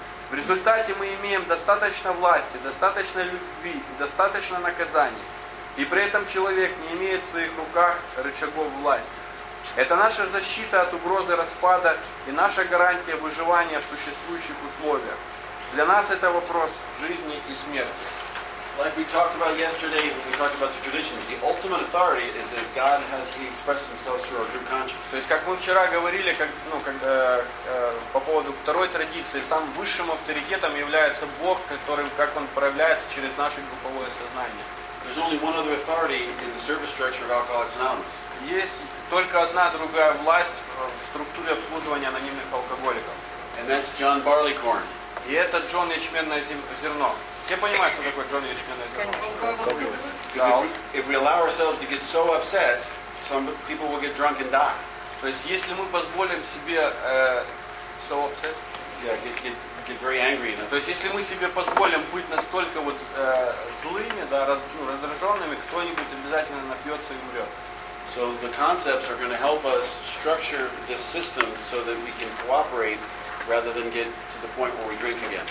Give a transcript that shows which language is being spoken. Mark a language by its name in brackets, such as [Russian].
[Russian] В результате мы имеем достаточно власти, достаточно любви и достаточно наказаний. И при этом человек не имеет в своих руках рычагов власти. Это наша защита от угрозы распада и наша гарантия выживания в существующих условиях. Для нас это вопрос жизни и смерти. [English] Like we talked about yesterday, when we talked about the tradition, the ultimate authority is as God has He expressed Himself through our group conscience. [Russian] То есть, как мы вчера говорили, как, ну, когда, по поводу второй традиции, самым высшим авторитетом является Бог, которым, как Он проявляется через наше групповое сознание. [English] There's only one other authority in the service structure of Alcoholics Anonymous. [Russian] Есть только одна другая власть в структуре обслуживания анонимных алкоголиков. [English] And that's John Barleycorn. [Russian] И это джон ячменное зерно. Все понимают, что такое джон ячменное зерно? [English] If we allow ourselves to get so upset, some people will get drunk and die. [Russian] То есть если мы позволим себе [English] so upset, get very angry. [Russian] То есть если мы себе позволим быть настолько вот злыми, да, раздраженными, кто-нибудь обязательно напьется и умрет. [English] So the concepts are going to help us structure the system so that we can cooperate rather than get to the point where we drink again.